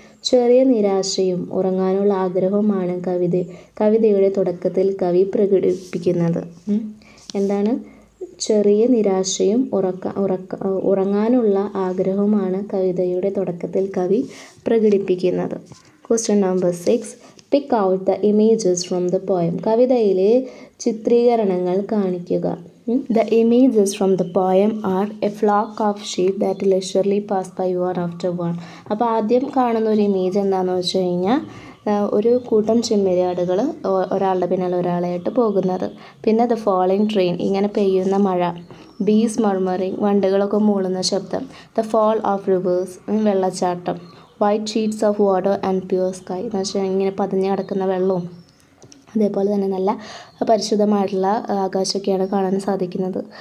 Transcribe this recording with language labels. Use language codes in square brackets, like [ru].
[ml] ചെറിയ നിരാശയും ഉറങ്ങാനുള്ള ആഗ്രഹവുമാണ് കവിതയുടെ തുടക്കത്തിൽ കവി പ്രകടിപ്പിക്കുന്നത്. എന്താണ്? ചെറിയ നിരാശയും ഉറങ്ങാനുള്ള ആഗ്രഹവുമാണ് കവിതയുടെ തുടക്കത്തിൽ കവി പ്രകടിപ്പിക്കുന്നത്. [en] Question number six, pick out the images from the poem. [ml] കവിതയിലെ ചിത്രീകരണങ്ങൾ കാണിക്കുക. [en] The images from the poem are a flock of sheep that leisurely pass by one after one. [ml] അപ്പോൾ ആദ്യം കാണുന്ന ഒരു ഇമേജ് എന്താണെന്ന് വെച്ച് കഴിഞ്ഞാൽ ഒരു കൂട്ടം ചെമ്മരിയാടുകൾ ഒരാളുടെ പിന്നാലെ ഒരാളായിട്ട് പോകുന്നത്. പിന്നെ [en] the falling rain, [ml] ഇങ്ങനെ പെയ്യുന്ന മഴ. [en] bees murmuring, [ml] വണ്ടുകളൊക്കെ മൂളുന്ന ശബ്ദം. [en] the fall of rivers, [ml] വെള്ളച്ചാട്ടം. [en] white sheets of water and pure sky, [ml] എന്ന് വെച്ചാൽ ഇങ്ങനെ പതിഞ്ഞു കിടക്കുന്ന വെള്ളവും അതേപോലെ തന്നെ നല്ല പരിശുദ്ധമായിട്ടുള്ള ആകാശമൊക്കെയാണ് കാണാൻ സാധിക്കുന്നത്.